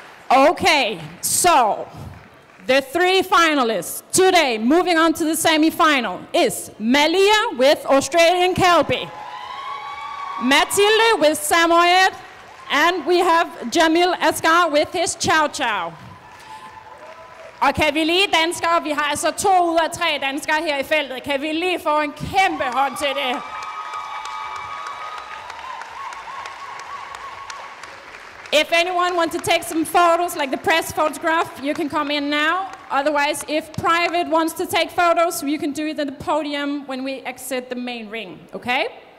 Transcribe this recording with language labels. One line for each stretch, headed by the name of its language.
English: Okay, so the three finalists today moving on to the semi-final is Melia with Australian Kelpie, Mathilde with Samoyed, and we have Jamil Asghar with his Chow Chow.
Danish: Og kan vi lige danskere, vi har altså to ud af tre danskere her i feltet, kan vi lige få en kæmpe hånd til det?
English: If anyone wants to take some photos, like the press photograph, you can come in now. Otherwise, if private wants to take photos, you can do it at the podium when we exit the main ring, okay?